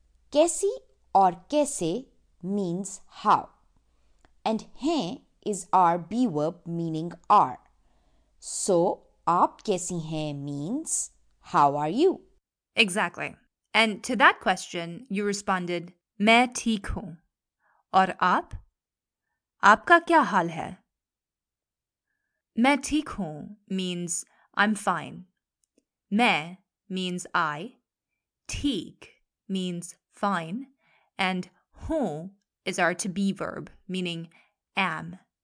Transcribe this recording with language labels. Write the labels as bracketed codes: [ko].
[en] Kaisi or kaise means how. And hain is our be verb meaning are. So, [hi] aap kaisi hain [en] means how are you? Exactly. And to that question, you responded, [hi] main theek hoon. और आप? आपका क्या हाल है? Main theek hoon [en] means I'm fine. Main means I, theek means fine, and hoon is our to be verb, meaning am.